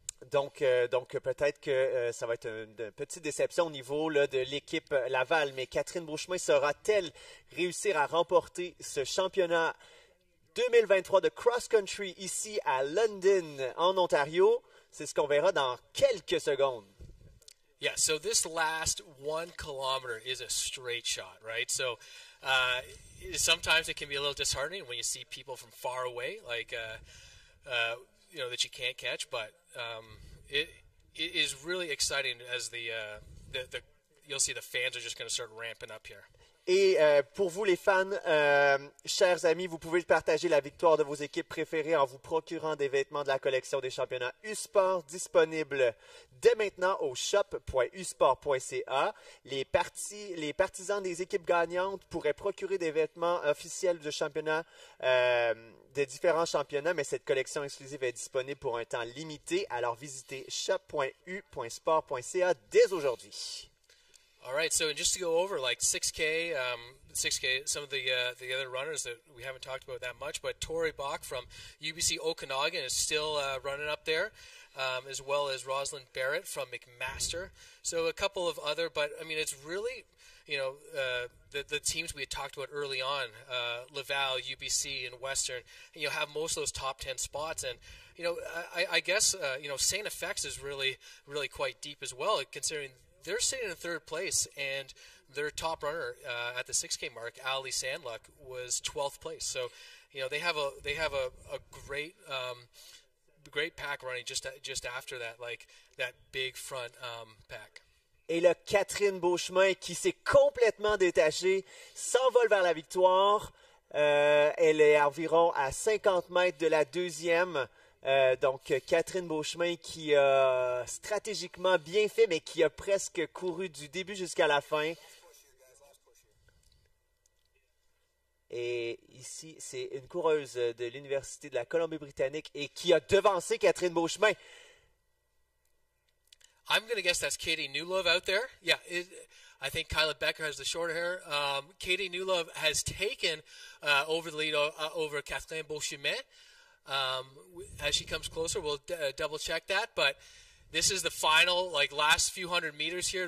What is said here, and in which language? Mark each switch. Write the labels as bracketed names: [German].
[French] Donc peut-être que ça va être une petite déception au niveau là, de l'équipe Laval, mais Catherine Beauchemin saura-t-elle réussir à remporter ce championnat 2023 de cross-country ici à London, en Ontario. C'est ce qu'on verra dans quelques secondes. [English] Yeah, so this last 1 kilometer is a straight shot, right? So sometimes it can be a little disheartening when you see people from far away, like, you know, that you can't catch. But it is really exciting as the you'll see the fans are just going to start ramping up here. [French] Et pour vous, les fans, chers amis, vous pouvez partager la victoire de vos équipes préférées en vous procurant des vêtements de la collection des championnats U-Sport disponibles dès maintenant au shop.usport.ca. Les partisans des équipes gagnantes pourraient procurer des vêtements officiels de championnats de différents championnats, mais cette collection exclusive est disponible pour un temps limité. Alors visitez shop.u.sport.ca dès aujourd'hui. [English] All right, so just to go over, like 6K, some of the other runners that we haven't talked about that much, but Tori Bach from UBC Okanagan is still running up there, as well as Rosalind Barrett from McMaster. So a couple of other, but, I mean, it's really, you know, the teams we had talked about early on, Laval, UBC, and Western, you know, have most of those top 10 spots. And, you know, I guess, you know, Saint-Effix is really, really quite deep as well, considering – they're sitting in third place, and their top runner at the 6K mark, Ali Sandluck, was 12th place. So, you know, they have a great pack running just after that, like that big front pack. [French] Et là, Catherine Beauchemin, qui s'est complètement détachée, s'envole vers la victoire. Elle est environ à 50 mètres de la deuxième. Donc, Catherine Beauchemin qui a stratégiquement bien fait, mais qui a presque couru du début jusqu'à la fin. Et ici, c'est une coureuse de l'Université de la Colombie-Britannique et qui a devancé Catherine Beauchemin. [English] I'm going to guess that's Katie Newlove out there. Yeah, I think Kyla Becker has the shorter hair. Katie Newlove has taken over the lead over Catherine Beauchemin. As she comes closer, we'll double check that. But this is the final, like last few hundred meters here.